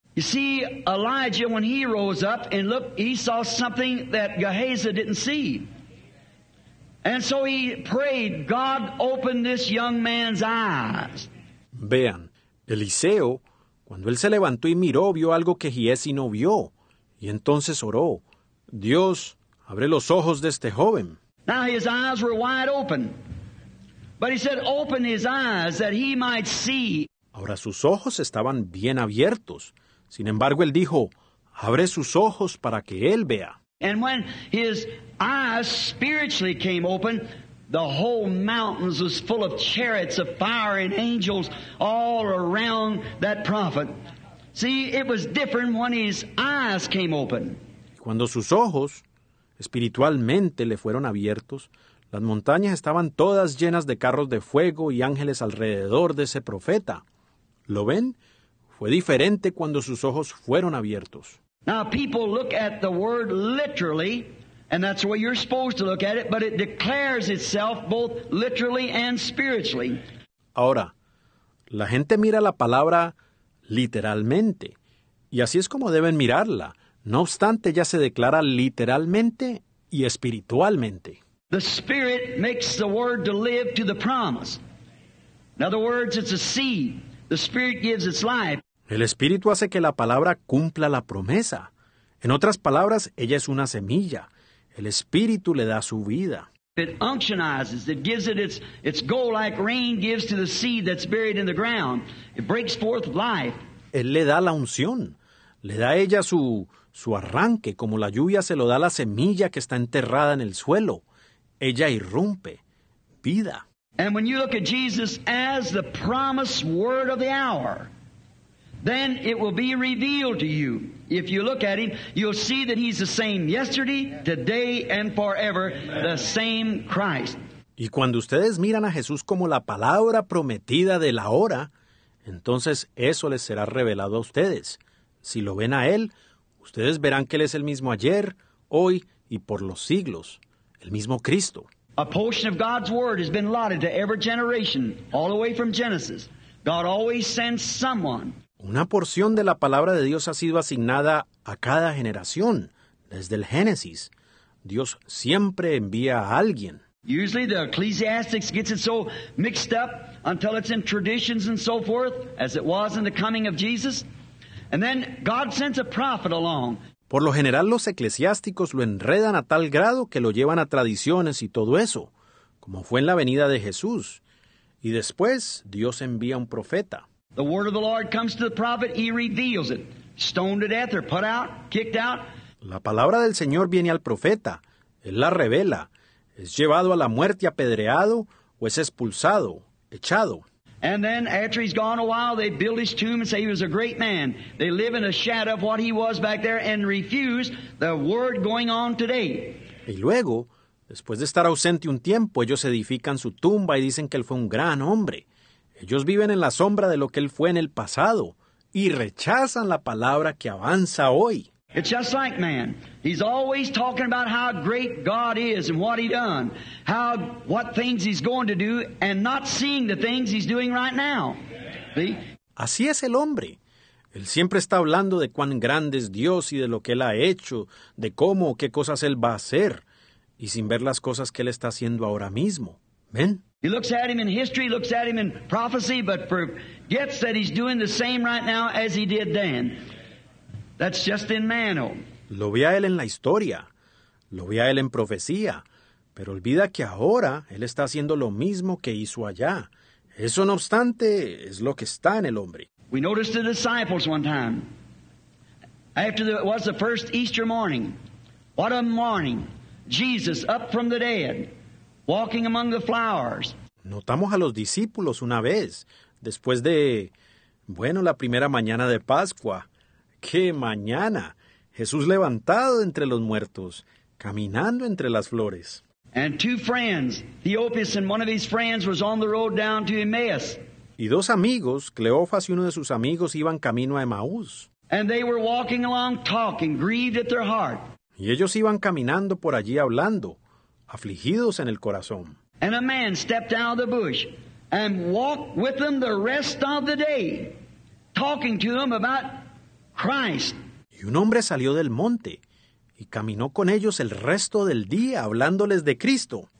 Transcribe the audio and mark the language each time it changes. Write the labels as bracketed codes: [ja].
[en] You see, Elijah, when he rose up and looked, he saw something that Gehazi didn't see. And so he prayed, "God, open this young man's eyes." [es] Vean, Eliseo, cuando él se levantó y miró, vio algo que Giesi no vio. Y entonces oró, "Dios, abre los ojos de este joven." [en] Now his eyes were wide open. But he said, "Open his eyes that he might see." [es] Ahora sus ojos estaban bien abiertos. Sin embargo, él dijo, "Abre sus ojos para que él vea." [en] And when his eyes spiritually came open, the whole mountains was full of chariots of fire and angels all around that prophet. See, it was different when his eyes came open. [es] Cuando sus ojos espiritualmente le fueron abiertos, las montañas estaban todas llenas de carros de fuego y ángeles alrededor de ese profeta. ¿Lo ven? Fue diferente cuando sus ojos fueron abiertos. [en] Now people look at the word literally And that's the way you're supposed to look at it, but it declares itself both literally and spiritually. [es] Ahora, la gente mira la palabra literalmente, y así es como deben mirarla. No obstante, ya se declara literalmente y espiritualmente. [en] The Spirit makes the word to live to the promise. In other words, it's a seed. The Spirit gives its life. [es] El Espíritu hace que la palabra cumpla la promesa. En otras palabras, ella es una semilla. El Espíritu le da su vida. [en] It unctionizes, it gives it its goal like rain gives to the seed that's buried in the ground. It breaks forth life. [es] Él le da la unción. Le da a ella su arranque, como la lluvia se lo da a la semilla que está enterrada en el suelo. Ella irrumpe. Vida. [en] And when you look at Jesus as the promised word of the hour, then it will be revealed to you. If you look at him, you'll see that he's the same yesterday, today, and forever, the same Christ. [es] Y cuando ustedes miran a Jesús como la palabra prometida de la hora, entonces eso les será revelado a ustedes. Si lo ven a él, ustedes verán que él es el mismo ayer, hoy y por los siglos, el mismo Cristo. [en] A portion of God's word has been allotted to every generation, all the way from Genesis. God always sends someone. [es] Una porción de la palabra de Dios ha sido asignada a cada generación, desde el Génesis. Dios siempre envía a alguien. [en] Usually the Ecclesiastics gets it so mixed up until it's in traditions and so forth, as it was in the coming of Jesus. And then God sends a prophet along. [es] Por lo general, los eclesiásticos lo enredan a tal grado que lo llevan a tradiciones y todo eso, como fue en la venida de Jesús. Y después, Dios envía un profeta. [en] The word of the Lord comes to the prophet, he reveals it. Stoned to death or put out, kicked out. [es] La palabra del Señor viene al profeta, él la revela. Es llevado a la muerte, apedreado, o es expulsado, echado. [en] And then after he's gone a while, they build his tomb and say he was a great man. They live in a shadow of what he was back there and refuse the word going on today. [es] Y luego, después de estar ausente un tiempo, ellos edifican su tumba y dicen que él fue un gran hombre. Ellos viven en la sombra de lo que él fue en el pasado y rechazan la palabra que avanza hoy. [en] It's just like man. He's always talking about how great God is and what he's done, how what things he's going to do and not seeing the things he's doing right now. See? [es] Así es el hombre. Él siempre está hablando de cuán grande es Dios y de lo que él ha hecho, de cómo o qué cosas él va a hacer, y sin ver las cosas que él está haciendo ahora mismo. ¿Ven? [en] He looks at him in history, looks at him in prophecy, but forgets that he's doing the same right now as he did then. That's just in man. [es] Lo ve a él en la historia, lo ve a él en profecía, pero olvida que ahora él está haciendo lo mismo que hizo allá. Eso no obstante, es lo que está en el hombre. [en] We noticed the disciples one time, after it was the first Easter morning. What a morning! Jesus up from the dead, walking among the flowers. [es] Notamos a los discípulos una vez, después de, bueno, la primera mañana de Pascua. ¡Qué mañana! Jesús levantado entre los muertos, caminando entre las flores. [en] And two friends, Theopas and one of his friends, was on the road down to Emmaus. [es] Y dos amigos, Cleofas y uno de sus amigos, iban camino a Emmaús. [en] And they were walking along talking, grieved at their heart. [es] Y ellos iban caminando por allí hablando, afligidos en el corazón. [en] And a man stepped out of the bush and walked with them the rest of the day, talking to them about Christ. [es] Y un hombre salió del monte y caminó con ellos el resto del día hablándoles de Cristo.